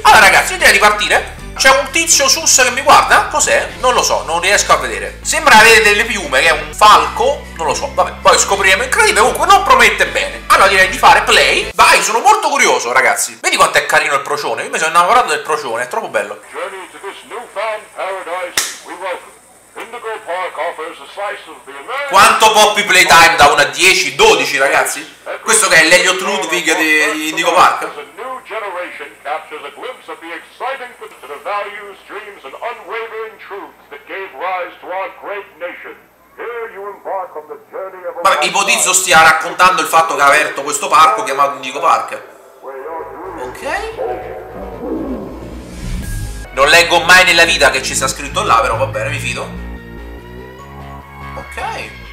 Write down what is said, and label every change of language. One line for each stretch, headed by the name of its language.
Italian: Allora ragazzi, io direi di partire. C'è un tizio sus che mi guarda? Cos'è? Non lo so, non riesco a vedere. Sembra avere delle piume, che è un falco? Non lo so, vabbè. Poi scopriremo, incredibile. Comunque non promette bene. Allora direi di fare play. Vai, sono molto curioso, ragazzi. Vedi quanto è carino il procione? Io mi sono innamorato del procione, è troppo bello.
English: Journey to this newfound paradise we welcome. Indigo Park offers a slice of the American...
Italian: Quanto Poppy Playtime da 1 a 10, 12, ragazzi? Questo che è l'Eliot Ludwig di Indigo Park?
English: Generation captures a glimpse of the exciting future, the values, dreams, and unwavering truths that gave rise to our great nation. Here you embark on the journey of a...
Italian: Ipotizzo stia raccontando il fatto che ha aperto questo parco chiamato Indigo Park. Ok. Non leggo mai nella vita che ci sia scritto là, però va bene, mi fido. Ok.